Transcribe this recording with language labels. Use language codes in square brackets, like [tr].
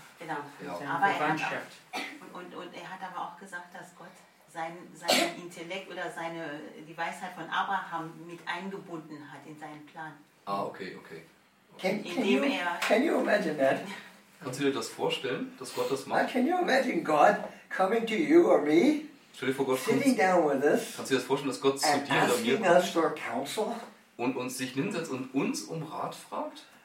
[de] Und er hat aber auch gesagt, dass Gott seinen Intellekt oder die Weisheit von Abraham mit eingebunden hat in seinen Plan. Ah, okay. [en] Can you imagine that? [de] Kannst du dir das vorstellen, dass Gott das macht? [en] Can you imagine God coming to you or me? [de] Stell dir vor, Gott [en] sitting down with us. [de] Kannst du dir das vorstellen, dass Gott zu dir oder mir kommt? [en] For counsel? [de] Und uns sich hinsetzt und uns um Rat fragt?